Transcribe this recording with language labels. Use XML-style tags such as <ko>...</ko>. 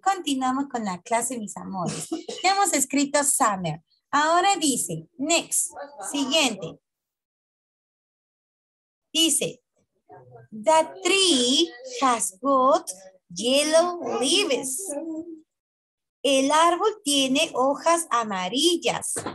<es>Continuamos con la clase, mis amores. Ya hemos escrito summer. Ahora dice, next, siguiente. Dice,</es> <en>the tree has got yellow leaves.</en> <es>El árbol tiene hojas amarillas.</es>